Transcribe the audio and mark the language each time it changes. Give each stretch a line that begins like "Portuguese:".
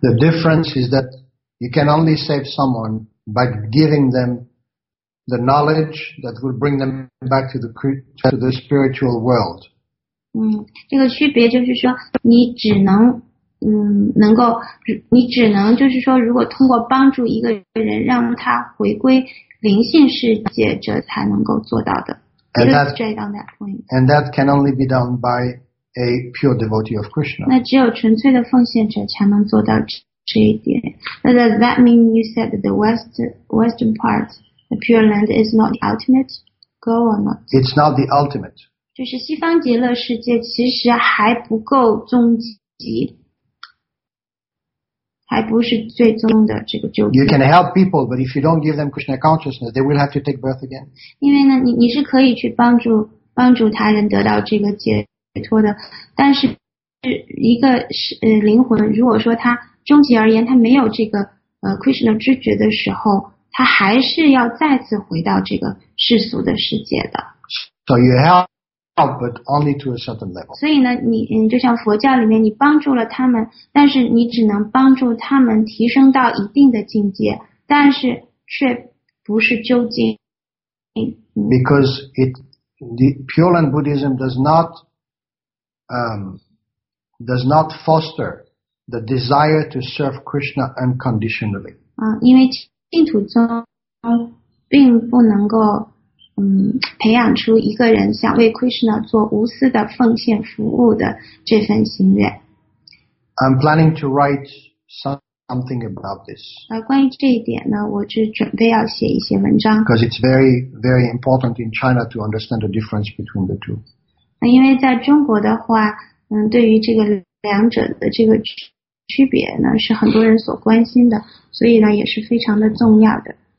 English: The difference is that you can only save someone by giving them the knowledge that will bring them back to the spiritual world.
Chinese: 这个区别就是说，你只能能够，你只能就是说，如果通过帮助一个人让他回归灵性世界，这才能够做到的。
English: And that can only be done by a pure devotee of Krishna.
Chinese: 那只有纯粹的奉献者才能做到这一点。
English: 那 does that mean you said that the western part, the Pure Land, is not the ultimate goal or not? It's not the ultimate.
Chinese: 就是西方极乐世界其实还不够终极，还不是最终的这个救。
English: You can help people, but if you don't give them Krishna consciousness, they will have to take birth again.
Chinese: 因为呢，你是可以去帮助他人得到这个解脱的，但是一个灵魂，如果说他终极而言，他没有这个Krishna 知觉的时候，他还是要再次回到这个世俗的世界的。
English: So you help, but only to a certain level.
Chinese: 所以呢，你就像佛教里面，你帮助了他们，但是你只能帮助他们提升到一定的境界，但是却不是究竟。
English: Because the Pure Land Buddhism does not foster the desire to serve Krishna unconditionally.
Chinese: 因为净土宗并不能够培养出一个人想为 Krishna 做无私的奉献服务的这份心愿。
English: I'm planning to write some, something about this.
Chinese: 关于这一点呢，我是准备要写一些文章。
English: Because it's very, very important in China to understand the difference between the two.
Chinese: 因为在中国的话，对于这个两者的这个区别呢，是很多人所关心的，所以呢，也是非常的重要的。